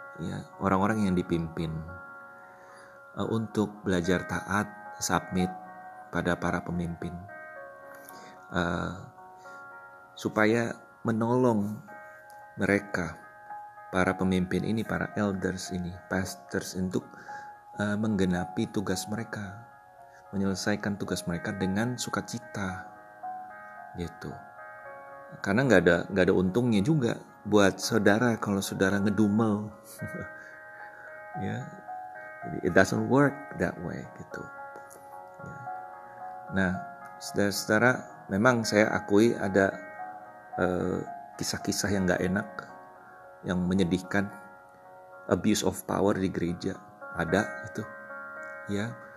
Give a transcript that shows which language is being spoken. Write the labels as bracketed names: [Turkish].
[Indonesian] ya, orang-orang yang dipimpin, untuk belajar taat, submit pada para pemimpin, supaya menolong mereka, para pemimpin ini, para elders ini, pastors, untuk menggenapi tugas mereka, menyelesaikan tugas mereka dengan sukacita, gitu. Karena nggak ada untungnya juga buat saudara kalau saudara ngedumel, ya. Jadi [English] it doesn't work that way, [Indonesian] gitu. Nah, saudara-saudara, memang saya akui ada kisah-kisah yang nggak enak, yang menyedihkan, [English] abuse of power [Indonesian] di gereja ada itu, ya.